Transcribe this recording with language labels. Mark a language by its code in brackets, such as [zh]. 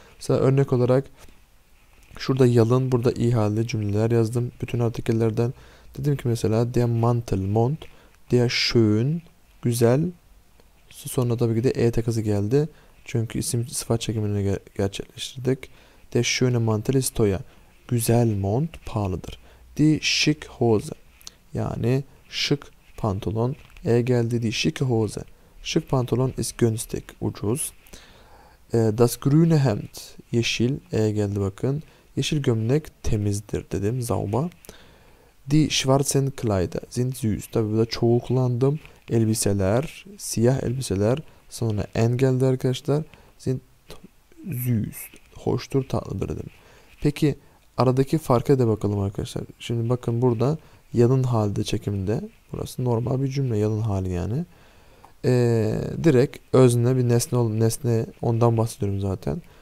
[tr] Mesela örnek olarak şurada yalın, burada i halinde cümleler yazdım bütün artikellerden. Dedim ki mesela [de] der Mantel, [tr] mont, [de] der schön, [tr] güzel. Sonra tabii ki de e takısı geldi. Çünkü isim sıfat çekimini gerçekleştirdik. [de] Der schöne Mantel ist teuer. [tr] Güzel mont pahalıdır. [de] Die schick Hose. [tr] Yani şık pantolon. E geldi diye şık hose. Şık pantolon [de] ist günstig. [tr] Ucuz. [de] Das grüne Hemd. [tr] Yeşil. E geldi bakın. Yeşil gömlek temizdir dedim. [de] Sauber. Die schwarzen Kleider sind süß. [tr] Tabi burada çoğul kullandım. Elbiseler. Siyah elbiseler. Sonra en geldi arkadaşlar. [de] Sind süß. [tr] Hoştur, tatlıdır dedim. Peki aradaki farka da bakalım arkadaşlar. Şimdi bakın burada yalın halde çekiminde. Burası normal bir cümle, yalın hali yani. Direkt özne bir nesne, ondan bahsediyorum zaten.